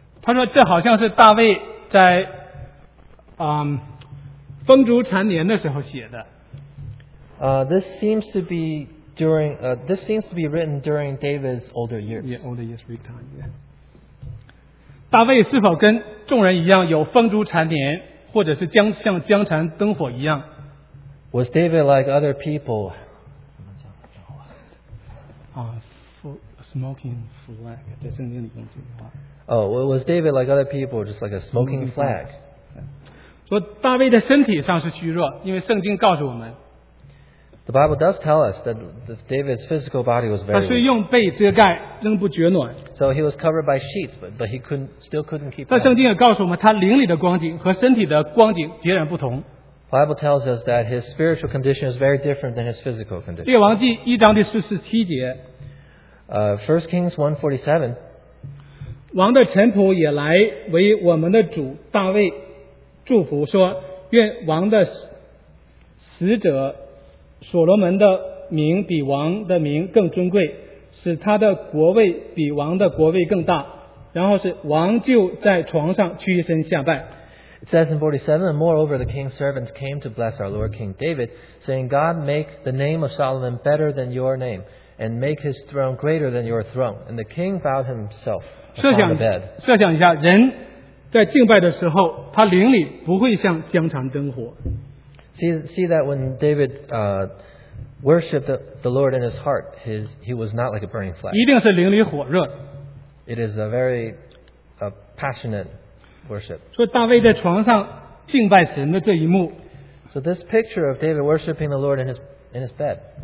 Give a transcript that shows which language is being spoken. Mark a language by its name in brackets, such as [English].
[Chinese] 他说这好像是大卫在风烛残年的时候写的。 [English] This seems to be written during David's older years. Yeah, older years, weak time, yeah. [Chinese] 大卫是否跟众人一样有风烛残年，或者是像江残灯火一样 [English] ？Was David like other people? [Chinese] 啊 ， [English] smoking flag [Chinese] 在圣经里用这句话。 [English] Oh, was David like other people, just like a smoking flag? [Chinese] 说大卫的身体上是虚弱，因为圣经告诉我们。 [English] The Bible does tell us that David's physical body was very weak. [Chinese] 他虽用被遮盖，仍不觉暖。 [English] So he was covered by sheets, but he still couldn't keep. [Chinese] 但圣经也告诉我们，他灵里的光景和身体的光景截然不同。 [English] Bible tells us that his spiritual condition is very different than his physical condition. [Chinese] 列王记一章第四十七节。 [English] First Kings 1:47. [Chinese] 王的臣仆也来为我们的主大卫祝福，说：愿王的使者。所罗门的名比王的名更尊贵，使他的国位比王的国位更大。然后是王就在床上屈身下拜。 [English] It says in 47, Moreover, the king's servants came to bless our Lord King David, saying, God make the name of Solomon better than your name, and make his throne greater than your throne. And the king bowed himself upon the bed. [Chinese] 设想一下，人在敬拜的时候，他灵里不会像江残灯火。 [English] See that when David worshipped the Lord in his heart, he was not like a burning flesh. [Chinese] 一定是灵里火热。 [English] It is a very passionate worship. [Chinese] 说大卫在床上敬拜神的这一幕。 [English] So this picture of David worshipping the Lord in his bed.